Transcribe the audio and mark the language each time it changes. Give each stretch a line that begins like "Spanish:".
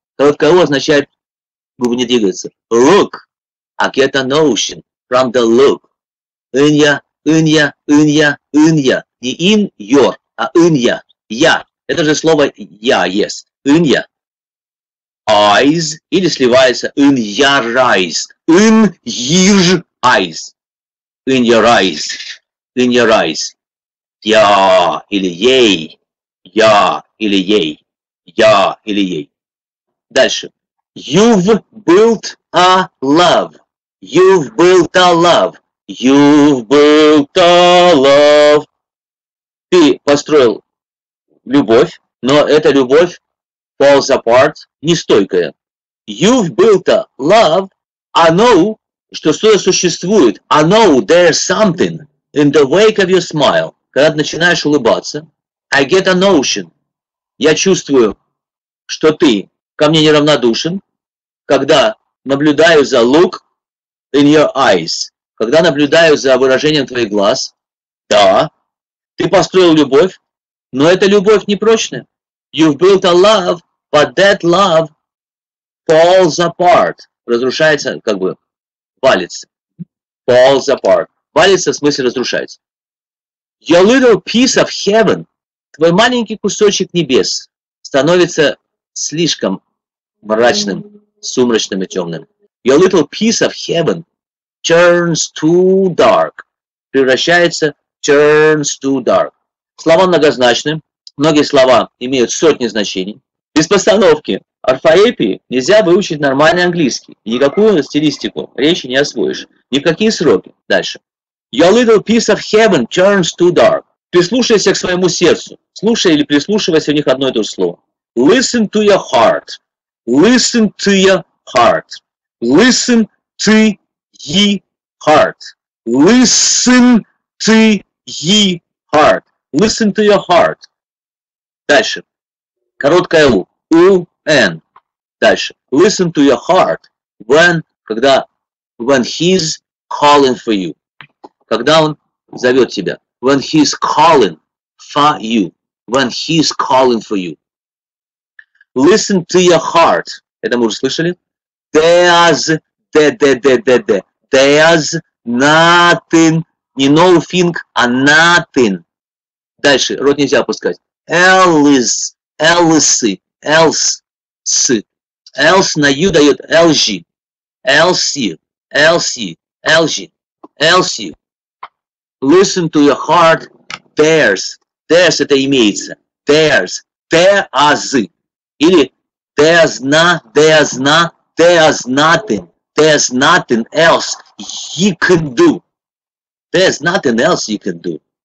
Russian: Короткое у означает, губы не двигаются.
English: Look. Агета ноушен. From the look. Инья, инья, инья, инья.
Russian: Не
English: in your,
Russian: а инья. Я. Это же слово я, yes.
English: Инья. Eyes, или сливается in your eyes, in your eyes, in your eyes, in your eyes, я или ей, я или ей, я или ей. Дальше, you've built a love, you've built a love, you've built a love.
Russian: Ты построил любовь, но эта любовь
English: falls apart,
Russian: нестойкая.
English: You've built a love, I know,
Russian: что что-то существует.
English: I know there's something in the wake of your smile.
Russian: Когда ты начинаешь улыбаться,
English: I get a notion.
Russian: Я чувствую, что ты ко мне неравнодушен, когда наблюдаю за
English: look in your eyes,
Russian: когда наблюдаю за выражением твоих глаз. Да, ты построил любовь, но эта любовь непрочная.
English: You've built a love, but that love falls apart.
Russian: Разрушается, как бы, валится.
English: Falls apart.
Russian: Валится, в смысле разрушается.
English: Your little piece of heaven,
Russian: твой маленький кусочек небес, становится слишком мрачным, сумрачным и темным.
English: Your little piece of heaven turns too dark. Превращается, turns too dark.
Russian: Слова многозначны. Многие слова имеют сотни значений. Без постановки орфоэпии нельзя выучить нормальный английский. Никакую стилистику речи не освоишь. Ни в какие сроки.
English: Дальше. Your little piece of heaven turns too dark.
Russian: Прислушайся к своему сердцу. Слушай или прислушивайся, у них одно и то же слово.
English: Listen to your heart. Listen to your heart. Listen to your heart. Listen to your heart. Listen to your heart.
Russian: Дальше. Короткое У.
English: У, Н. Дальше. Listen to your heart. When, когда, when he's calling for you.
Russian: Когда он зовет тебя.
English: When he's calling for you. When he's calling for you. Listen to your heart.
Russian: Это мы уже слышали.
English: There's, de-de-de-de-de. There's nothing. Не no thing, а nothing.
Russian: Дальше. Рот нельзя опускать. Элис, Элси, Элс, С. Элс на Ю дает ЛЖ. Элси,
English: Elsie, Elsie, Elsie, listen to your heart. There's, there's
Russian: это имеется.
English: There's, there are the. Или there's not, there's not, there's nothing. There's nothing else you can do. There's nothing else you can do.